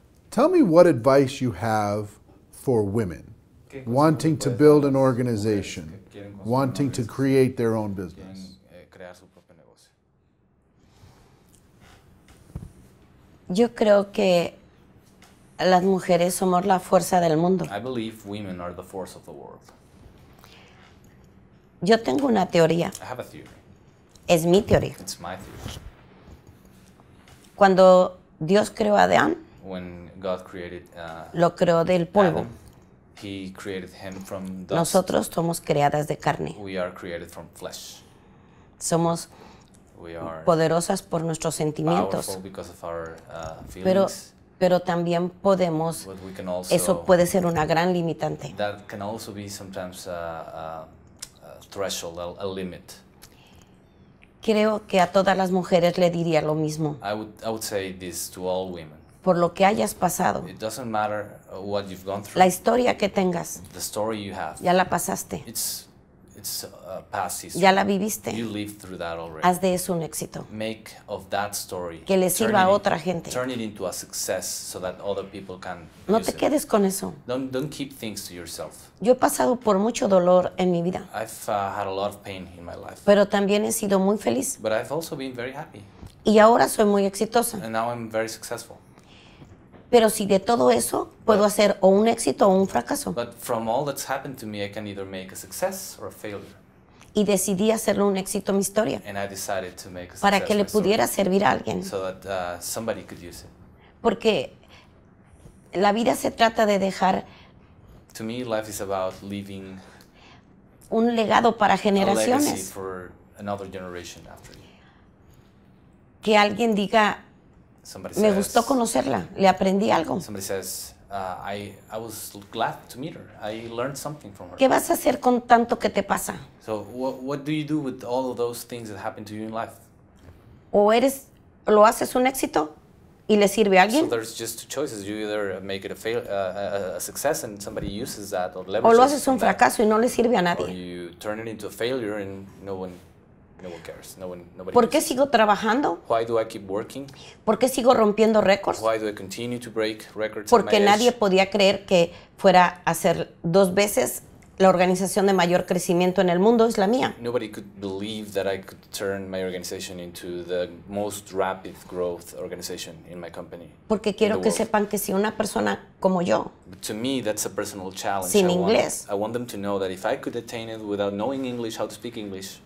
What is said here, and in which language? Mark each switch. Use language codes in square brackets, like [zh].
[en] Tell me what advice you have for women wanting to build an organization, wanting to create their own business. [es] Crear su propio negocio. Yo creo que las mujeres somos la fuerza del mundo. [en] I believe women are the force of the world. [es] Yo tengo una teoría. [en] I have a theory. [es] Es mi teoría. [en] It's my theory. [es] Cuando Dios creó a Adán, [en] when God created, [es] lo creó del polvo. [en] Adam, he created him from dust. [es] Nosotros somos creadas de carne. [en] We are created from flesh. [es] Somos [en] we are [es] poderosas por nuestros sentimientos. [en] Powerful because of our, feelings. [es] Pero Pero también podemos, [en] also, [es] eso puede ser una gran limitante. [en] That can also be sometimes a threshold, a limit. [es] Creo que a todas las mujeres le diría lo mismo. [en] I would say this to all women. [es] Por lo que hayas pasado. [en] It doesn't matter what you've gone through. [es] La historia que tengas. [en] The story you have. [es] Ya la pasaste. [en] It's a past history. [es] Ya la viviste. [en] You lived through that already. [es] Haz de eso un éxito. [en] Make of that story. [es] Que le sirva a otra gente. [en] Turn it into a success so that other people can. [es] No te quedes con eso. [en] Don't keep things to yourself. [es] Yo he pasado por mucho dolor en mi vida. [en] I've had a lot of pain in my life. [es] Pero también he sido muy feliz. [en] But I've also been very happy. [es] Y ahora soy muy exitosa. [en] And now I'm very successful. [es] Pero si de todo eso puedo hacer o un éxito o un fracaso. [en] But from all that's happened to me, I can either make a success or a failure. [es] Y decidí hacerlo un éxito mi historia. [en] And I decided to make a success. [es] Para que le pudiera servir a alguien. [en] So that somebody could use it. [es] Porque la vida se trata de dejar. [en] To me, life is about leaving. [es] Un legado para generaciones. [en] A legacy for another generation after you. [es] Que alguien diga. [en] Somebody [es] me [en] says, [es] gustó conocerla, le aprendí algo. [en] Somebody says, I was glad to meet her. I learned something from her. [es] ¿Qué vas a hacer con tanto que te pasa? [en] So what do you do with all of those things that happen to you in life? [es] O eres, lo haces un éxito y le sirve a alguien. [en] So there's just two choices. You either make it a success and somebody uses that or leverages it. [es] O lo haces un fracaso [en] that, [es] y no le sirve a nadie. [en] Or you turn it into a failure and no one cares. Nobody [es] ¿Por qué [en] uses. [es] Sigo trabajando? [en] Why do I keep working? [es] ¿Por qué sigo rompiendo récords? [en] Why do I continue to break records? [es] Porque nadie podía creer que fuera a ser dos veces la organización de mayor crecimiento en el mundo es la mía. [en] Nobody could believe that I could turn my organization into the most rapid growth organization in my company. [es] Porque quiero que sepan que si una persona como yo. [en] But to me, that's a personal challenge. [es] Sin inglés. [en] I want them to know that if I could attain it without knowing English, how to speak English.